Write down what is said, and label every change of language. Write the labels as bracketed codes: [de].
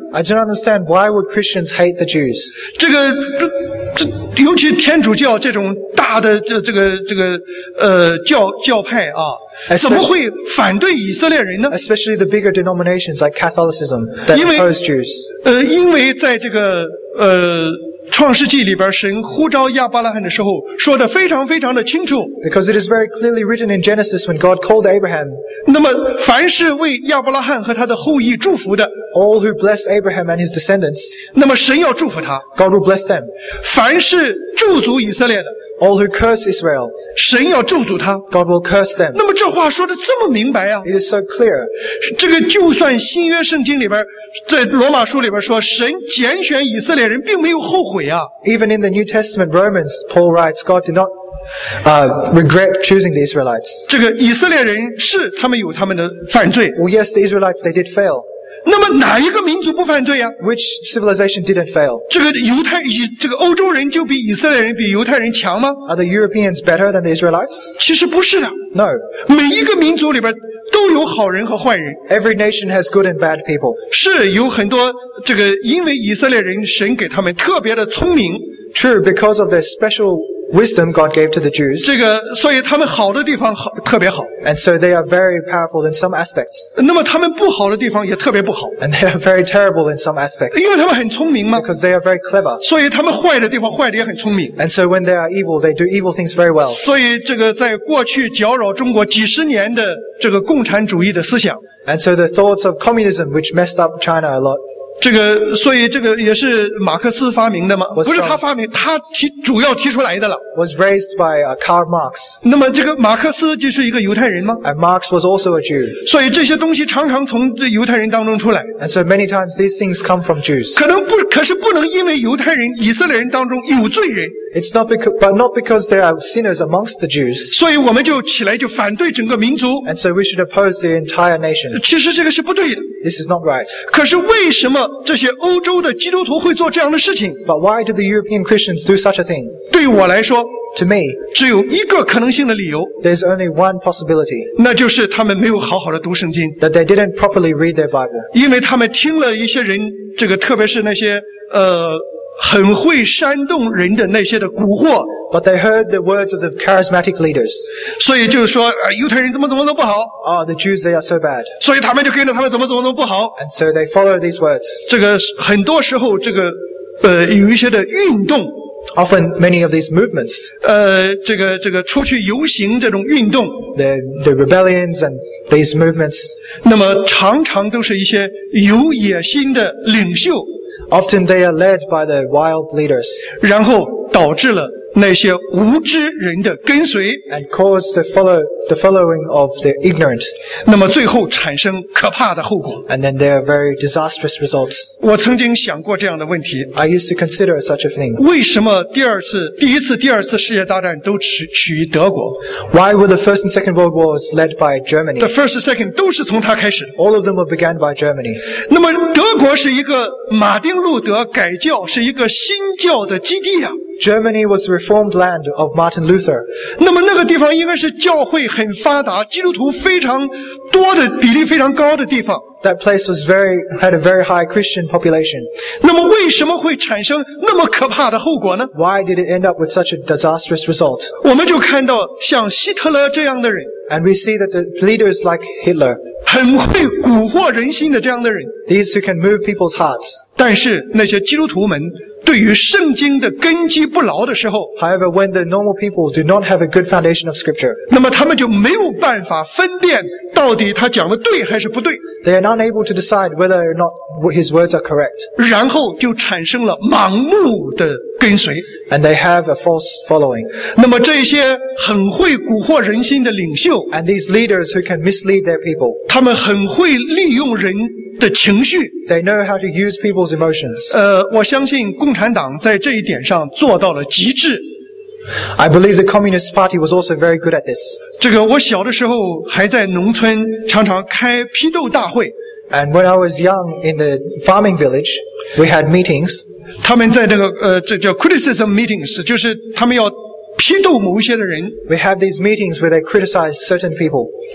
[en] ？I don't understand why would Christians hate the Jews. [zh] 这个尤其天主教这种大的教派啊，怎么会反对以色列人呢？ [en] Especially the bigger denominations like Catholicism that oppose Jews. [zh] 因为在这个创世纪里边，神呼召亚伯拉罕的时候说得非常非常的清楚。 [en] Because it is very clearly written in Genesis when God called Abraham. [zh] 那么凡是为亚伯拉罕和他的后裔祝福的， [en] All who bless Abraham and his descendants. [zh] 那么神要祝福他， [en] God will bless them. [zh] 凡是咒诅以色列的， [en] All who curse Israel. [zh] 神要咒诅他， [en] God will curse them. [zh] 那么这话说得这么明白啊， [en] It is so clear. [zh] 这个就算新约圣经里边，在罗马书里边说神拣选以色列人并没有后悔啊。 [en] Even in the New Testament Romans, Paul writes, God did not regret choosing the Israelites. [zh] 这个以色列人是他们有他们的犯罪。 [en] Well, yes, the Israelites, they did fail. [zh] 那么哪一个民族不犯罪啊？ [en] Which civilization didn't fail? [zh] 这个欧洲人就比以色列人比犹太人强吗？ [en] Are the Europeans better than the Israelites? [zh] 其实不是的。 [en] No. [zh] 每一个民族里边都有好人和坏人。 [en] Every nation has good and bad people. [zh] 是有很多这个因为以色列人神给他们特别的聪明。 [en] True, because of their special wisdom God gave to the Jews. [zh] 这个所以他们好的地方好特别好。 [en] And so they are very powerful in some aspects. [zh] 那么他们不好的地方也特别不好。 [en] And they are very terrible in some aspects. [zh] 因为他们很聪明嘛。 [en] Because they are very clever. [zh] 所以他们坏的地方坏的也很聪明。 [en] And so when they are evil, they do evil things very well. [zh] 所以这个在过去搅扰中国几十年的这个共产主义的思想。 [en] And so the thoughts of communism which messed up China a lot. [zh] 这个所以这个也是马克思发明的吗？不是他发明，他主要提出来的了。 [en] Was raised by Karl Marx. [zh] 那么这个马克思就是一个犹太人吗？ [en] And Marx was also a Jew. [zh] 所以这些东西常常从这犹太人当中出来。 [en] And so many times these things come from Jews. [zh] 可是不能因为犹太人以色列人当中有罪人。 [en] It's not because, but not because they are sinners amongst the Jews. [zh] 所以我们就起来就反对整个民族。 [en] And so we should oppose the entire nation. [zh] 其实这个是不对的。 [en] This is not right. [zh] 可是为什么这些欧洲的基督徒会做这样的事情？ [en] But why do the European Christians do such a thing? [zh] 对我来说， [en] To me, [zh] 只有一个可能性的理由。 [en] There's only one possibility. [zh] 那就是他们没有好好的读圣经。 [en] That they didn't properly read their Bible. [zh] 因为他们听了一些人，这个特别是那些很会煽动人的那些的蛊惑。 [en] But they heard the words of the charismatic leaders. [zh] 所以就是说犹太人怎么怎么都不好。 [en] Oh, the Jews, they are so bad. [zh] 所以他们就跟着他们怎么怎么都不好。 [en] And so they follow these words. [zh] 这个很多时候这个有一些的运动， [en] Often many of these movements, [zh] 这个出去游行这种运动， [en] the rebellions and these movements, [zh] 那么常常都是一些有野心的领袖。 [en] Often they are led by the wild leaders. [zh] 然后导致了那些无知人的跟随。 [en] And caused the following of the ignorant. [zh] 那么最后产生可怕的后果。 [en] And then there are very disastrous results. [zh] 我曾经想过这样的问题。 [en] I used to consider such a thing. [zh] 为什么第一次世界大战都取于德国？ [en] Why were the First and Second World Wars led by Germany? The First and Second [zh] 都是从它开始。 [en] All of them were began by Germany. [zh] 那么德国是一个马丁路德改教，是一个新教的基地啊。 [en] Germany was the reformed land of Martin Luther. [zh] 那么那个地方应该是教会很发达，基督徒非常多的比例非常高的地方。 [en] That place was had a very high Christian population. [zh] 那么为什么会产生那么可怕的后果呢？ [en] Why did it end up with such a disastrous result? [zh] 我们就看到像希特勒这样的人。 [en] And we see that the leaders like Hitler. [zh] 很会蛊惑人心的这样的人。 [en] These who can move people's hearts. [zh] 但是那些基督徒们对于圣经的根基不牢的时候， [en] However, when the normal people do not have a good foundation of scripture, [zh] 那么他们就没有办法分辨到底他讲的对还是不对。 [en] They are not able to decide whether or not his words are correct. [zh] 然后就产生了盲目的跟随。 [en] And they have a false following. [zh] 那么这些很会蛊惑人心的领袖， [en] And these leaders who can mislead their people, [zh] 他们很会利用人的情绪。 [en] They know how to use people's emotions. [zh] 我相信共产党在这一点上做到了极致。 [en] I believe the Communist Party was also very good at this. [zh] 这个我小的时候还在农村常常开批斗大会。 [en] And when I was young in the farming village, we had meetings. [zh] 他们在这个这叫 [en] criticism meetings, [zh] 就是他们要批斗某些的人。 [en] We have these meetings where they criticize certain people.